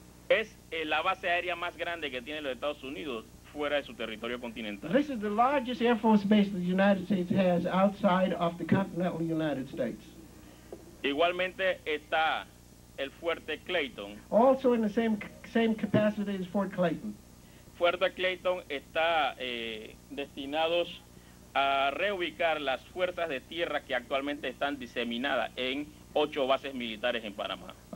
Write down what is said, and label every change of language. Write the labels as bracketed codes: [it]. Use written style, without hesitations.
[es] Es la base aérea más grande que tiene los Estados Unidos fuera de su territorio continental. [en] This is the largest Air Force base the United States has outside of the continental United States. [es] Igualmente está el Fuerte Clayton. [en] Also in the same capacity as Fort Clayton. [es] Fuerte Clayton está destinados a reubicar las fuerzas de tierra que actualmente están diseminadas en 8 bases militares en Panamá.